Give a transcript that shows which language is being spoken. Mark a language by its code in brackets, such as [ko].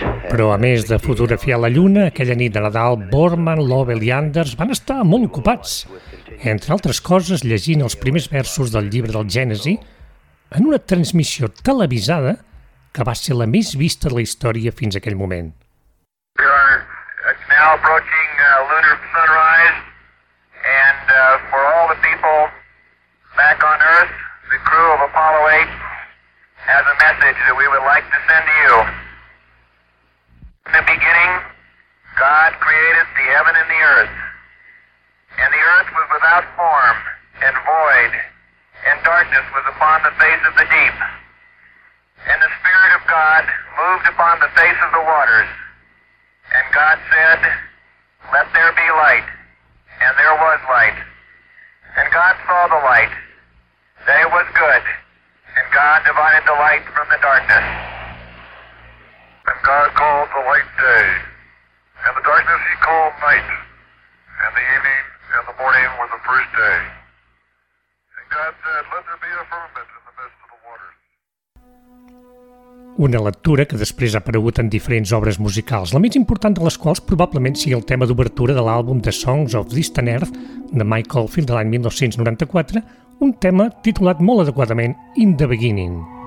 [ca] Però a més de fotografiar la Lluna, aquella nit de Nadal, Borman, Lovell i Anders van estar molt ocupats, entre altres coses llegint els primers versos del llibre del Gènesi en una transmissió televisada que va ser la més vista de la història fins a aquell moment. [en] We are now approaching lunar sunrise and for all the people back on Earth, the crew of Apollo 8 has a message that we would like to send to you. In the beginning, God created the heaven and the earth. And the earth was without form and void, and darkness was upon the face of the deep. And the Spirit of God moved upon the face of the waters. And God said, let there be light. And there was light. And God saw the light. That it was good. And God divided the light from the darkness. And God called the light day, and the darkness he called night, and the evening and the morning were the first day. And God said, let there be a firmament in the midst of the waters. [ca] una lectura que després ha aparegut en diferents obres musicals, la més important de les quals probablement sigui el tema d'obertura de l'àlbum The Songs of Distant Earth de Mike Oldfield de l'any 1994, un tema titulat molt adequadament In the Beginning.